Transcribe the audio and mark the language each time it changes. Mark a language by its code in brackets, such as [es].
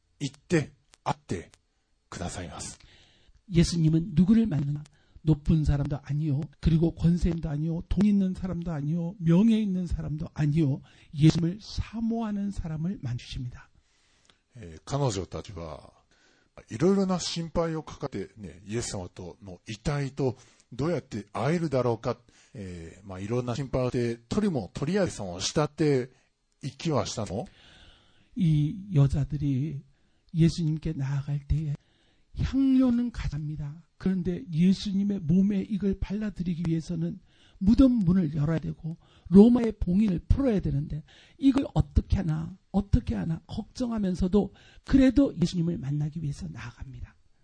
[ja] 예수様を慕っている人に行って会ってくださいます. [ko] 예수님은 누구를 만나나 높은 사람도 아니요 그리고 권세도 아니요 돈 있는 사람도 아니요 명예 있는 사람도 아니요 예수님을 사모하는 사람을 만주십니다. [ja] 彼女たちは いろいろな心配を抱えて、イエス様との遺体とどうやって会えるだろうか、いろんな心配で、とりもとりあえずしたって行きはしたの? [ko] いい 여자들이 예수님께 나아갈 때에 향료는 가져갑니다. 그런데 예수님의 몸에 이걸 발라드리기 위해서는 무덤 문을 열어야 되고 로마의 봉인을 풀어야 되는데 이걸 어떻게 하나 걱정하면서도 그래도 예수님을 만나기 위해서 나아갑니다.